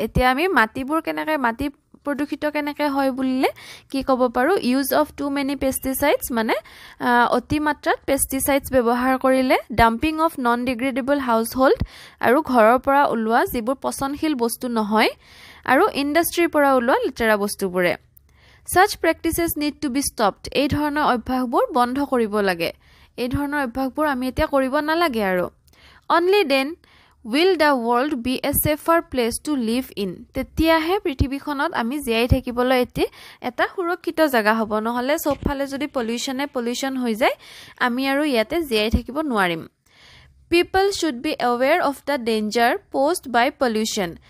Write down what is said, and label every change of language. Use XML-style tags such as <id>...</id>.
<as>এতিয়া আমি মাটিবোৰ কেনেকৈ, মাটি প্ৰদূষিত কেনেকৈ হয় বুলিলে কি ক'ব পাৰোঁ?</as> <en>use of too many pesticides,</en> <as>মানে অতিমাত্ৰাত পেষ্টিচাইডছ ব্যৱহাৰ কৰিলে,</as> <en>dumping of non degradable household,</en> <as>আৰু ঘৰৰ পৰা ওলোৱা যিবোৰ পচনশীল বস্তু নহয়, আৰু ইণ্ডাষ্ট্ৰিৰ পৰা ওলোৱা লেতেৰা বস্তুবোৰে।</as> <en>Such practices need to be stopped.</en> <as>এই ধৰণৰ অভ্যাসবোৰ বন্ধ কৰিব লাগে, এই ধৰণৰ অভ্যাসবোৰ আমি এতিয়া কৰিব নালাগে আৰু।</as> <en>Only then will the world be a safer place to live in.</en> <as>তেতিয়াহে পৃথিৱীখনত আমি জীয়াই থাকিবলৈ এটা সুৰক্ষিত জাগা হ'ব, নহ'লে চবফালে যদি পলিউশ্যনে পলিউশ্যন হৈ যায়, আমি আৰু ইয়াতে জীয়াই থাকিব নোৱাৰিম।</as> <en>People should be aware of the danger posed by pollution.</en>